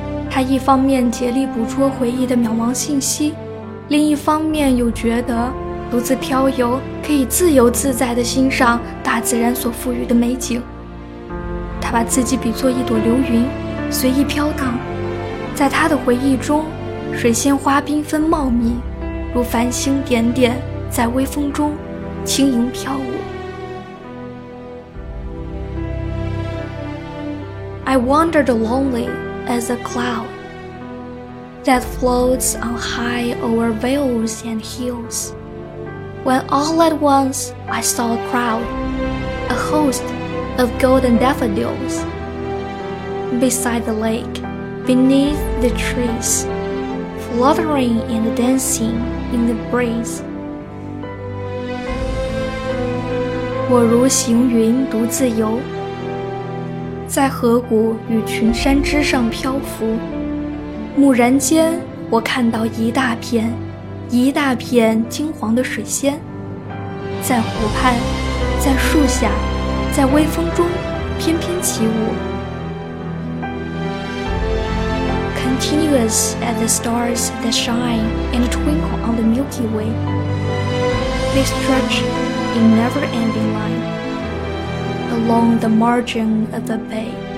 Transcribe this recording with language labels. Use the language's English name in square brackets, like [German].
[Chinese] 他一方面竭力捕捉回忆的渺茫信息，另一方面又觉得独自漂游可以自由自在地欣赏大自然所赋予的美景。他把自己比作一朵流云，随意飘荡。在他的回忆中，水仙花缤纷茂密，如繁星点点，在微风中轻盈飘舞。 [English] I wandered lonely as a cloud that floats on high over vales and hills, when all at once I saw a crowd, a host of golden daffodils, beside the lake, beneath the treesfluttering and dancing in the breeze. [Chinese] 我如行云独自游，在河谷与群山之上漂浮。蓦然间，我看到一大片，一大片金黄的水仙，在湖畔，在树下，在微风中翩翩起舞。 [English] Continuous as the stars that shine and twinkle on the Milky Way, they stretch in never-ending line along the margin of the bay.